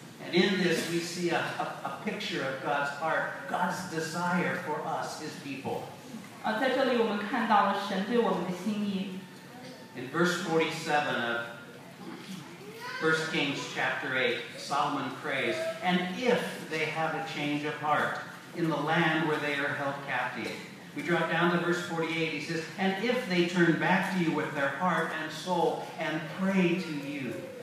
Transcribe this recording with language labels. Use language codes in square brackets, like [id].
[en] And in this, we see a picture of God's heart, God's desire for us, His people. [zh] 在这里我们看到了神对我们的心意。 [en] In verse 47 of 1 Kings chapter 8, Solomon prays, And if they have a change of heart in the land where they are held captive. We drop down to verse 48, he says, And if they turn back to you with their heart and soul and pray to you.